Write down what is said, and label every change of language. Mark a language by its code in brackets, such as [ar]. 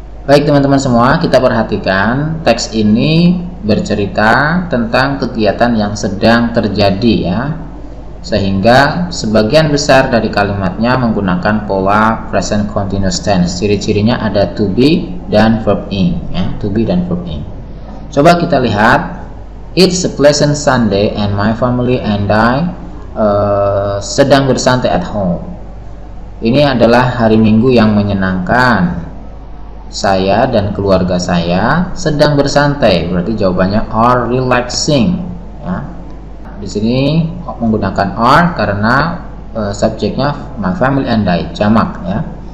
[id] Baik teman-teman semua, kita perhatikan teks ini bercerita tentang kegiatan yang sedang terjadi ya. Sehingga sebagian besar dari kalimatnya menggunakan pola present continuous tense. Ciri-cirinya ada to be dan verb ing ya, to be dan verb ing. Coba kita lihat, [en] it's a pleasant Sunday and my family and I [id] sedang bersantai [en] at home. [id] Ini adalah hari Minggu yang menyenangkan. Saya dan keluarga saya sedang bersantai. Berarti jawabannya [en] are relaxing. [id] Ya. Di sini menggunakan are karena subjeknya [en] my family and I, [id] jamak. Ya.